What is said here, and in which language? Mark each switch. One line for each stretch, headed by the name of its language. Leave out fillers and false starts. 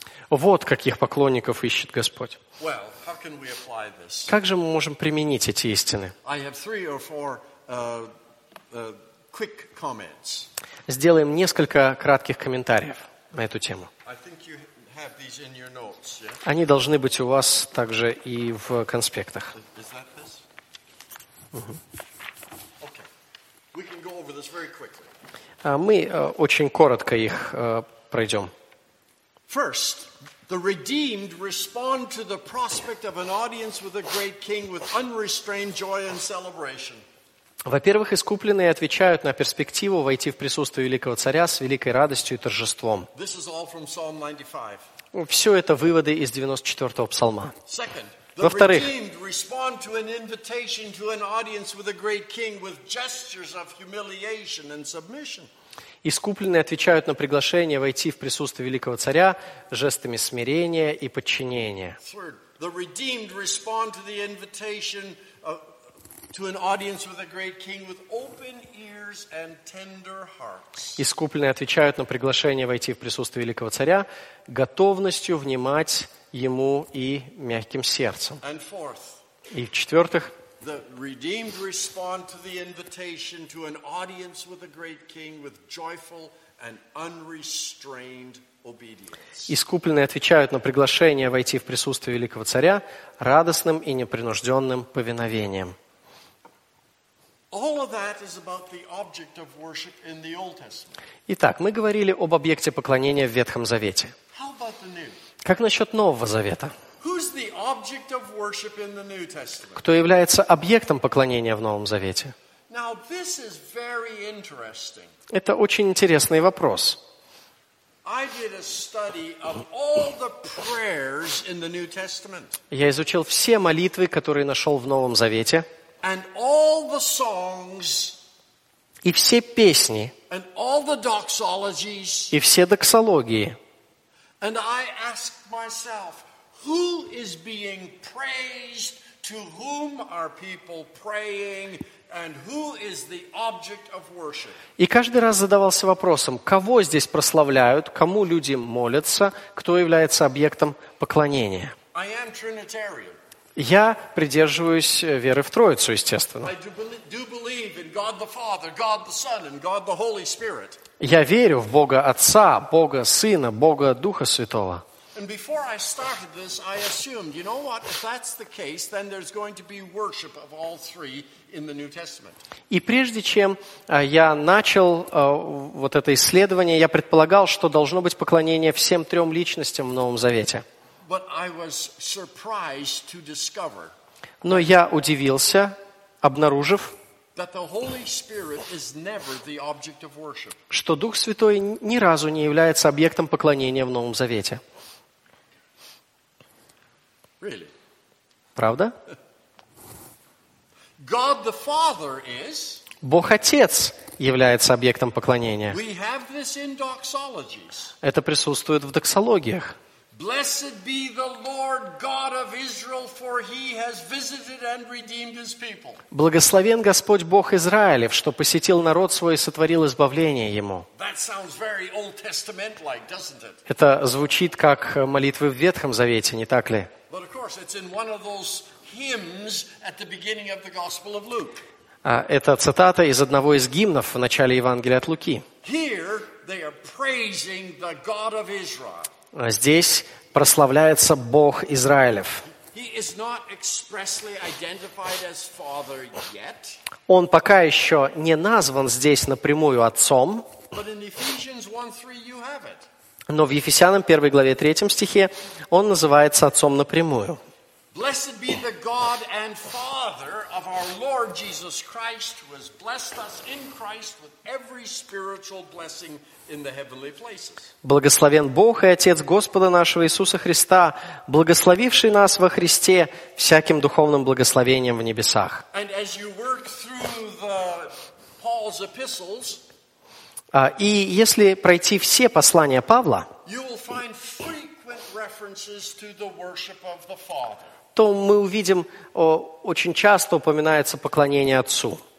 Russian: Вот каких поклонников ищет Господь.
English: Well, how can we apply this?
Russian: Как же мы можем применить эти истины?
English: I have three or four, quick comments.
Russian: Сделаем несколько кратких комментариев на эту тему.
English: I think you have these in your notes, yeah?
Russian: Они должны быть у вас также и в конспектах.
English: Is that this? Okay. We can go over this very quickly.
Russian: Мы очень коротко их пройдем.
English: First, the redeemed respond to the prospect of an audience with a great king with unrestrained joy and celebration.
Russian: Во-первых, искупленные отвечают на перспективу войти в присутствие великого царя с великой радостью и торжеством.
English: This is all from Psalm 95.
Russian: Все это выводы из 94-го псалма.
English: Second, the redeemed respond to an invitation to an audience with a great king with gestures of humiliation and submission.
Russian: Искупленные отвечают на приглашение войти в присутствие великого царя жестами смирения и подчинения.
English: Third, the redeemed respond to the invitation to an audience with a great king with open ears and tender hearts.
Russian: Искупленные отвечают на приглашение войти в присутствие великого царя готовностью внимать ему и мягким сердцем.
English: And fourth,
Russian: и в-четвертых,
English: the redeemed respond to the invitation to an audience with a great king with joyful and unrestrained obedience.
Russian: Искупленные отвечают на приглашение войти в присутствие великого царя радостным и непринужденным повиновением.
English: All of that is about the object of worship in the Old Testament.
Russian: Итак, мы говорили об объекте поклонения в Ветхом Завете.
English: How about the New?
Russian: Как насчет Нового Завета?
English: Who's the object of worship in the New Testament?
Russian: Кто является объектом поклонения в Новом Завете?
English: Now, this is very interesting.
Russian: Это очень интересный вопрос.
English: I did a study of all the prayers in the New Testament.
Russian: Я изучил все молитвы, которые нашел в Новом Завете.
English: And all the songs.
Russian: И все песни.
English: And all the doxologies.
Russian: И все доксологии.
English: And I asked myself, who is being praised, to whom are people praying, and who is the object of worship?
Russian: И каждый раз задавался вопросом, кого здесь прославляют, кому люди молятся, кто является объектом поклонения.
English: I am Trinitarian.
Russian: Я придерживаюсь веры в Троицу, естественно.
English: I do believe in God the Father, God the Son, and God the Holy Spirit.
Russian: Я верю в Бога Отца, Бога Сына, Бога Духа Святого.
English: And before I started this, I assumed, you know what, if that's the case, then there's going to be worship of all three in the New Testament.
Russian: И прежде чем я начал вот это исследование, я предполагал, что должно быть поклонение всем трем личностям в Новом Завете.
English: But I was surprised to discover.
Russian: Но я удивился, обнаружив,
English: that the Holy Spirit is never the object of worship.
Russian: Что Дух Святой ни разу не является объектом поклонения в Новом Завете.
English: Really?
Russian: Правда?
English: God the Father is.
Russian: Бог Отец является объектом поклонения.
English: We have this in doxologies.
Russian: Это присутствует в доксологиях.
English: Blessed be the Lord God of Israel, for He has visited and redeemed His people.
Russian: Благословен Господь Бог Израилев, что посетил народ свой и сотворил избавление ему.
English: That sounds very Old Testament-like, doesn't it?
Russian: Это звучит как молитвы в Ветхом Завете, не так ли?
English: But of course, it's in one of those hymns at the beginning of the Gospel of Luke.
Russian: Это цитата из одного из гимнов в начале Евангелия от Луки.
English: Here they are praising the God of Israel.
Russian: Здесь прославляется Бог Израилев.
English: He is not expressly identified as Father yet.
Russian: Он пока еще не назван здесь напрямую Отцом.
English: But in Ephesians 1:3 you have it.
Russian: Но в Ефесянам 1 главе 3 стихе он называется Отцом напрямую.
English: Blessed be the God and Father of our Lord Jesus Christ, who has blessed us in Christ with every spiritual blessing in the heavenly places.
Russian: Благословен Бог и Отец Господа нашего Иисуса Христа, благословивший нас во Христе всяким духовным благословением в небесах.
English: And as you work through the Paul's epistles,
Russian: и если пройти все послания Павла,
English: you will find frequent references to the worship of the Father.
Russian: То мы увидим, очень часто упоминается поклонение Отцу.